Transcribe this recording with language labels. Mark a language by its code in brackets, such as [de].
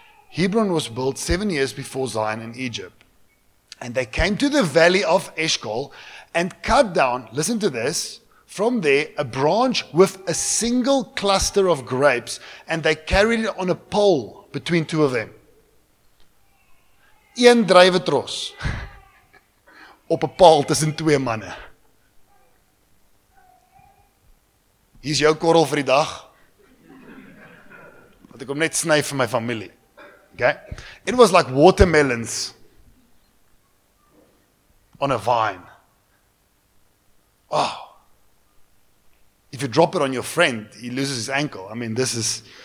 [en] Hebron was built 7 years before Zion in Egypt. And they came to the valley of Eshkol and cut down, listen to this, From there, a branch with a single cluster of grapes, and they carried it on a pole between two of them. [af] Een drywe tros op 'n paal tussen twee manne. Hier's jou korrel vir die dag. Wat ek hom net sny vir my familie. Okay? [en] It was like watermelons on a vine. Oh. If you drop it on your friend, he loses his ankle. I mean, this is...